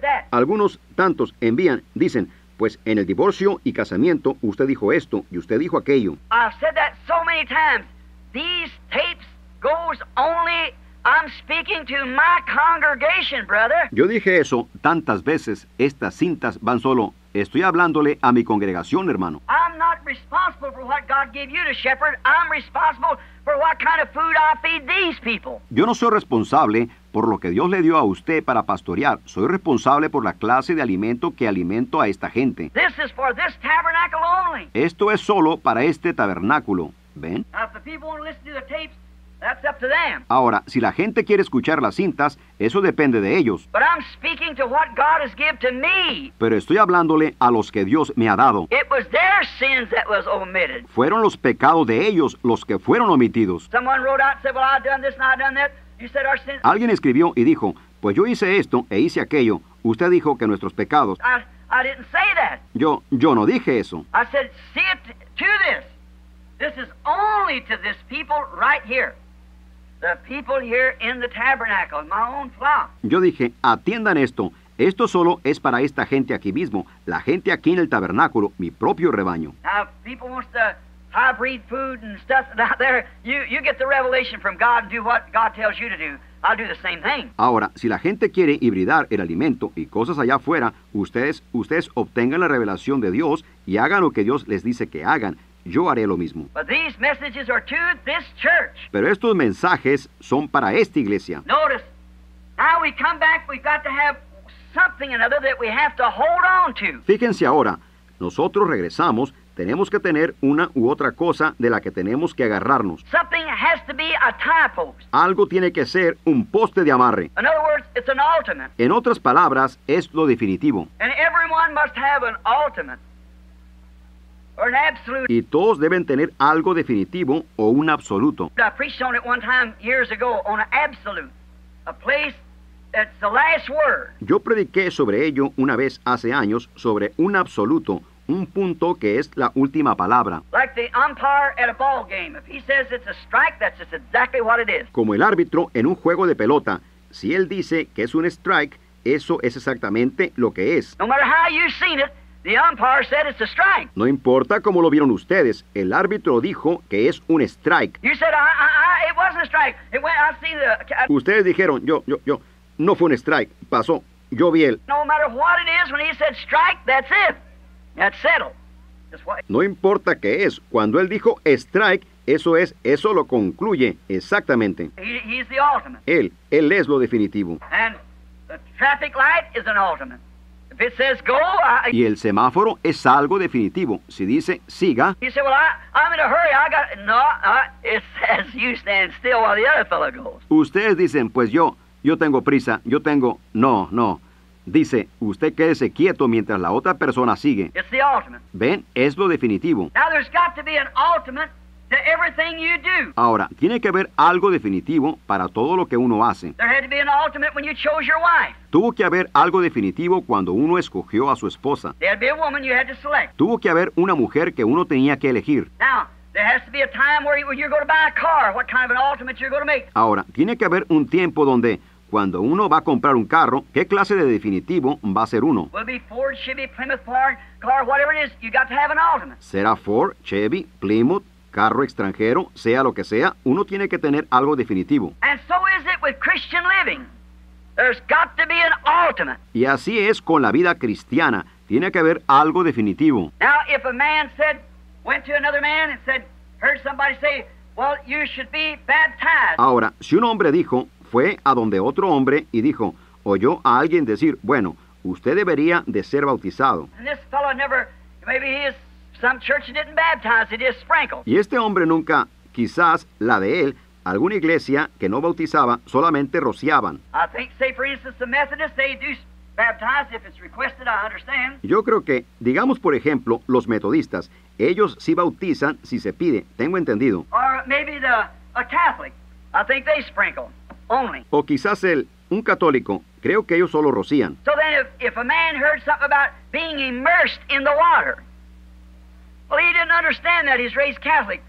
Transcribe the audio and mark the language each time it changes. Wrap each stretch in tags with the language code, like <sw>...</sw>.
<es>Algunos tantos envían, dicen, pues en el divorcio y casamiento usted dijo esto y usted dijo aquello.</es> <en>I've said that so many times. These tapes goes only. I'm speaking to my congregation, brother.</en> <es>Yo dije eso tantas veces. Estas cintas van solo. Estoy hablándole a mi congregación, hermano.</es> <en>I'm not responsible for what God gave you to shepherd. I'm responsible for what kind of food I feed these people.</en> <es>Yo no soy responsable por lo que Dios le dio a usted para pastorear. Soy responsable por la clase de alimento que alimento a esta gente.</es> <en>This is for this tabernacle only.</en> <es>Esto es solo para este tabernáculo. ¿Ven?</es> <en>Now, if the people want to listen to the tapes, that's up to them.</en> <es>Ahora, si la gente quiere escuchar las cintas, eso depende de ellos.</es> <en>But I'm speaking to what God has given to me.</en> <es>Pero estoy hablándole a los que Dios me ha dado.</es> <en>It was their sins that was omitted.</en> <es>Fueron los pecados de ellos los que fueron omitidos.</es> <en>Someone wrote out and said, well, I've done this and I've done that. You said our sins.</en> <es>Alguien escribió y dijo, pues yo hice esto e hice aquello. Usted dijo que nuestros pecados.</es> <en>I didn't say that.</en> <es>Yo no dije eso.</es> <en>I said, see it to this. This is only to this people right here. The people here in the tabernacle, my own flock.</en> <es>Yo dije, atiendan esto. Esto solo es para esta gente aquí mismo. La gente aquí en el tabernáculo, mi propio rebaño.</es> <en>Now, if people want to hybrid food and stuff out there, you get the revelation from God and do what God tells you to do. I'll do the same thing.</en> <es>Ahora, si la gente quiere hibridar el alimento y cosas allá afuera, ustedes obtengan la revelación de Dios y hagan lo que Dios les dice que hagan. Yo haré lo mismo.</es> <en>But these messages are to this church.</en> <es>Pero estos mensajes son para esta iglesia.</es> <en>Notice, now we come back, we've got to have something another that we have to hold on to.</en> <es>Fíjense ahora, nosotros regresamos, tenemos que tener una u otra cosa de la que tenemos que agarrarnos.</es> <en>Something has to be a tie post.</en> <es>Algo tiene que ser un poste de amarre.</es> <en>In other words, it's an ultimate.</en> <es>En otras palabras, es lo definitivo.</es> <en>And everyone must have an ultimate. Or an absolute.</en> <es>Y todos deben tener algo definitivo o un absoluto.</es> <en>I preached on it one time years ago on an absolute, a place that's the last word.</en> <es>Yo prediqué sobre ello una vez hace años sobre un absoluto, un punto que es la última palabra.</es> <en>Like the umpire at a ball game, if he says it's a strike, that's just exactly what it is.</en> <es>Como el árbitro en un juego de pelota, si él dice que es un strike, eso es exactamente lo que es.</es> <en>No matter how you've seen it. The umpire said it's a strike.</en> <es>No importa cómo lo vieron ustedes, el árbitro dijo que es un strike.</es> <en>You said, it wasn't a strike. It went, I see the.</en> <es>Ustedes dijeron, yo, no fue un strike, pasó, yo vi el.</es> <en>No matter what it is, when he said strike, that's it. That's settled. That's what.</en> <es>No importa qué es, cuando él dijo strike, eso es, eso lo concluye exactamente.</es> <en>He's the ultimate.</en> <es>Él es lo definitivo.</es> <en>And the traffic light is an ultimate. If it says go,</en> <es>y el semáforo es algo definitivo. Si dice siga.</es> <en>He said, well, I'm in a hurry. I got. No, it says you stand still while the other fellow goes.</en> <es>Ustedes dicen, pues yo tengo prisa. Yo tengo. No. Dice, usted quédese quieto mientras la otra persona sigue.</es> <en>It's the ultimate.</en> <es>Ven, es lo definitivo.</es> <en>Now there's got to be an ultimate to everything you do.</en> <es>Ahora, tiene que haber algo definitivo para todo lo que uno hace.</es> <en>There had to be an ultimate when you chose your wife.</en> <es>Tuvo que haber algo definitivo cuando uno escogió a su esposa.</es> <en>There had to be a woman you had to select.</en> <es>Tuvo que haber una mujer que uno tenía que elegir.</es> <en>Now, there has to be a time where you're going to buy a car, what kind of an ultimate you're going to make.</en> <es>Ahora, tiene que haber un tiempo donde cuando uno va a comprar un carro, ¿qué clase de definitivo va a ser uno?</es> <en>Will it be Ford, Chevy, Plymouth, car, whatever it is, you got to have an ultimate.</en> <es>¿Será Ford, Chevy, Plymouth, carro extranjero, sea lo que sea, uno tiene que tener algo definitivo?</es> <en>And so is it with Christian living. There's got to be an ultimate.</en> <es>Y así es con la vida cristiana. Tiene que haber algo definitivo.</es> <en>Now, if a man said, went to another man and said, heard somebody say, well, you should be baptized.</en> <es>Ahora, si un hombre dijo, fue a donde otro hombre y dijo, oyó a alguien decir, bueno, usted debería de ser bautizado.</es> <en>And this fellow never, maybe he is. Some church didn't baptize, it just sprinkled.</en> <es>Y este hombre nunca, quizás la de él, alguna iglesia que no bautizaba, solamente rociaban.</es> <en>I think, say for instance, the Methodists, they do baptized if it's requested, I understand.</en> <es>Yo creo que, digamos por ejemplo, los metodistas, ellos sí bautizan si se pide, tengo entendido.</es> <en>Or maybe a Catholic, I think they sprinkle only.</en> <es>O quizás un católico, creo que ellos solo rocían.</es> <en>So then if a man heard something about being immersed in the water, well, he didn't understand that he's raised Catholic.</en>